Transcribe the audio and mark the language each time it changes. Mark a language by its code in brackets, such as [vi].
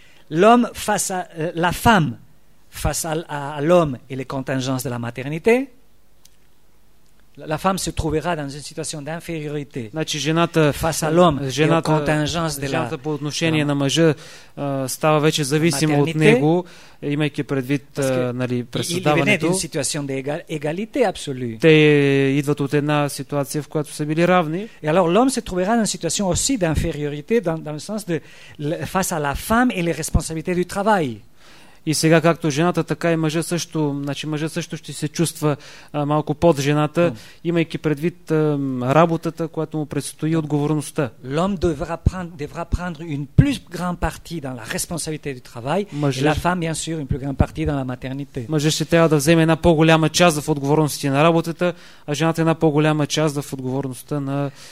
[fr] L'homme face à la femme face à l'homme et les contingences de la maternité. La femme se trouvera dans une situation d'infériorité. [bg] Значи жената [fr] face à l'homme, жената, contingence de [bg] жената по отношение на мъжа става вече зависима от него, имайки предвид нали [fr] преседаването. Égalité absolue. [bg] Те идват от една ситуация, в която са били равни. [fr] Et alors l'homme se trouvera dans une situation aussi d'infériorité dans le sens de face à la femme et les responsabilités du travail. [bg] И сега както жената, така и мъжа също, значи мъжа също ще се чувства малко под жената, имайки предвид работата, която му предстои и отговорността. [fr] L'homme devra prendre une plus grande partie dans la responsabilité du travail, et la femme bien sûr une plus grande partie dans la maternité. [bg] Мъжът ще трябва да вземе една по-голяма част в отговорностите на работата, а жената една по-голяма част в отговорността на